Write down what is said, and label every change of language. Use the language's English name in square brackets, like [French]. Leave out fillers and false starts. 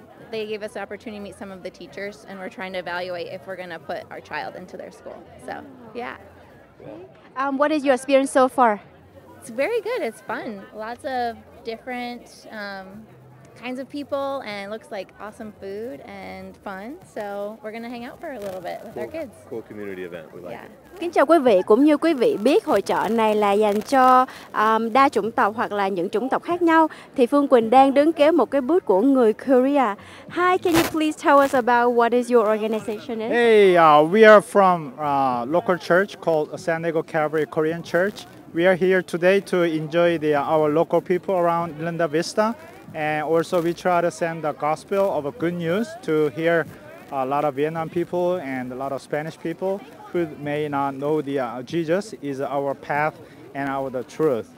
[English] They gave us the opportunity to meet some of the teachers, and we're trying to evaluate if we're going to put our child into their school. So, yeah. What is your experience so far? It's very good. It's fun. Lots of different kinds of people, and it looks like awesome food and fun. So we're going to hang out for a little bit with cool, our kids. Cool community event. We like it. [Vietnamese] Kính chào quý vị, cũng như quý vị biết hội chợ này là dành cho đa chủng tộc hoặc là những chủng tộc khác nhau. Thì Phương Quỳnh đang đứng kế một cái booth của người Korea. [English] Hi, can you please tell us about what is your organization is? Hey, we are from a local church called San Diego Calvary Korean Church. We are here today to enjoy our local people around Linda Vista. And also we try to send the gospel of a good news to hear a lot of Vietnam people and a lot of Spanish people who may not know the Jesus is our path and our the truth.